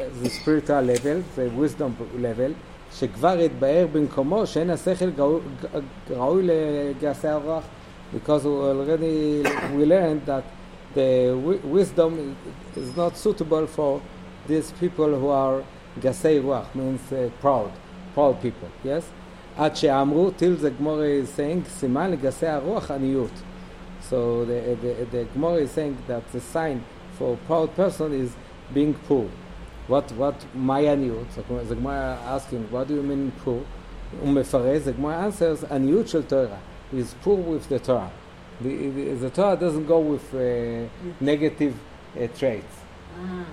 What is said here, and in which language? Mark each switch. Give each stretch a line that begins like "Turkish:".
English: spiritual level, the wisdom level,
Hebrew: שכבר התבאר במקומו שאין השכל ראוי לגעשי הרוח,
English: because we learned that the wisdom is not suitable for these people who are געשי רוח, means proud people, yes?
Hebrew: עד שאמרו,
English: till the Gemara is saying,
Hebrew: סימן לגעשי הרוח עניות.
English: So the Gemara is saying that the sign for a proud person is being poor. What mayaniut? So the Gemara asking, what do you mean poor? Umefarez, the Gemara answers,
Hebrew: aniut shel Torah,
English: is poor with the Torah. The Torah doesn't go with negative traits. Uh-huh.